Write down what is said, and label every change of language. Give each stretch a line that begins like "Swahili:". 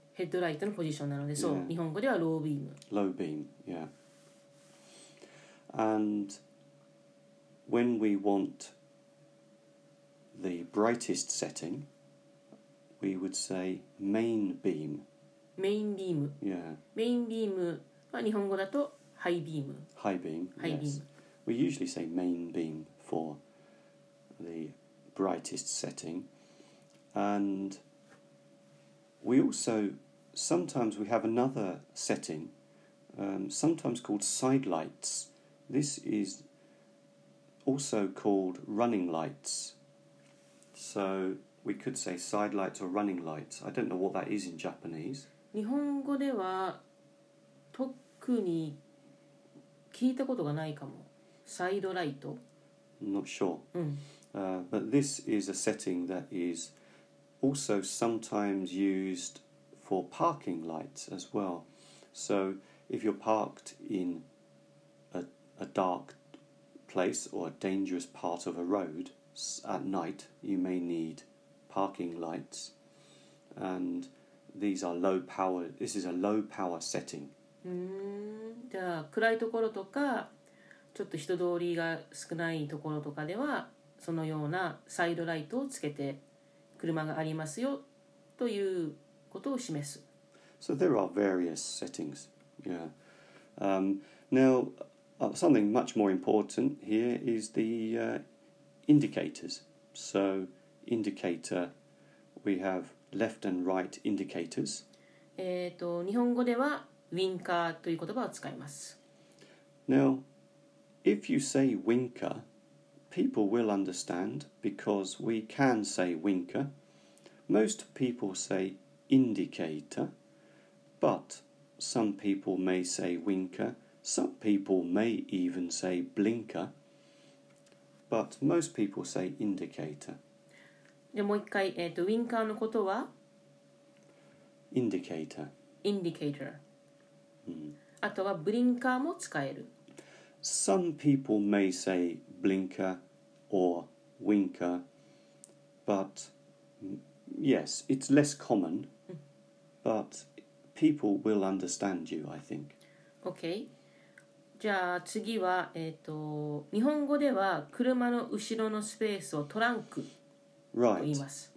Japanese: ヘッドライトのポジションなので、そう、日本語ではロービーム。
English: Low beam, yeah. And when we want the brightest setting, we would say main beam. Main beam. Yeah.
Japanese: Main beam は日本語だとハイビーム。
English: High beam. High beam. We usually say main beam for the brightest setting. And we also, sometimes we have another setting, sometimes called side lights. This is also called running lights. So we could say side lights or running lights. I don't know what that is in Japanese.
Japanese: 日本語では特に聞いたことがないかも。サイドライト。
English: Not sure.
Japanese: うん。
English: But this is a setting that is also sometimes used for parking lights as well. So if you're parked in a dark place or a dangerous part of a road at night, you may need parking lights. And these are low power. This is a low power setting.
Japanese: じゃあ暗いところとかちょっと人通りが少ないところとかではそのようなサイドライトをつけて車がありますよということを示す。
English: So there are various settings. Yeah. Now, something much more important here is the indicators. So, indicator, we have left and right indicators.
Japanese: 日本語ではウィンカーという言葉を使います。
English: Now, if you say winker, people will understand because we can say winker. Most people say indicator, but some people may say winker. Some people may even say blinker, but most people say indicator.
Japanese: じゃあもう一回、ウィンカーのことは
English: indicator. Indicator. Mm.
Japanese: あとはブリンカーも使える。
English: Some people may say blinker or winker, but yes, it's less common, but people will understand you, I think. Okay.
Japanese: じゃあ次は、日本語では車の後ろのスペースをトランクと言います。